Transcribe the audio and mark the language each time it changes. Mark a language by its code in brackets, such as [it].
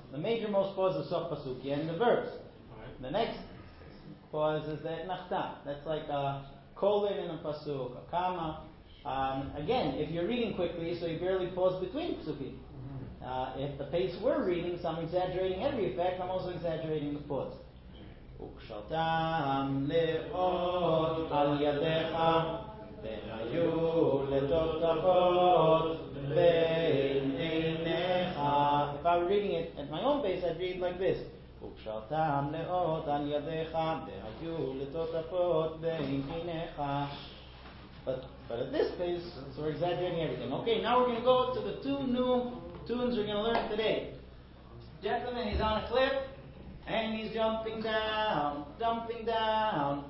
[en] The major most pause is Sof Pasuk, the end of verse. The next pause is the Et Nachta. That's like a colon in a Pasuk, a comma. Again, if you're reading quickly, so you barely pause between Pasukim. If the pace we're reading, so I'm exaggerating every effect, I'm also exaggerating the pause. [he] וקשרתם לאות על ידיך והיו לטוטפות בין עיניך. [en] If I were reading it at my own pace, I'd read like this. [he] וקשרתם לאות על ידיך והיו לטוטפות בין עיניך. [en] But at this pace, so we're exaggerating everything. Okay, now we're going to go to the two new tunes we're going to learn today. Gentlemen, he's on a cliff. And he's jumping down, jumping down.